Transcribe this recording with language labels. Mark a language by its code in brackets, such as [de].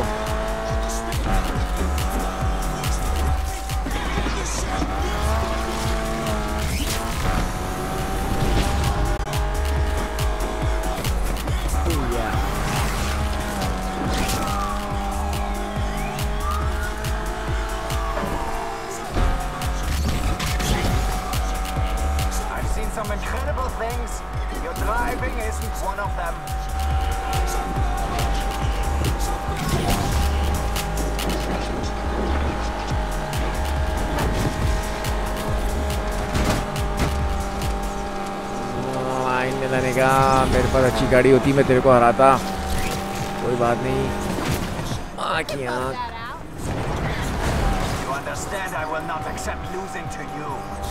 [en] I've seen some incredible things. Your Living isn't one of them. [hi] मैंने कहा मेरे पास अच्छी गाड़ी होती मैं तेरे को हराता कोई बात नहीं माँ की आँख [en] You understand I will not accept losing to you.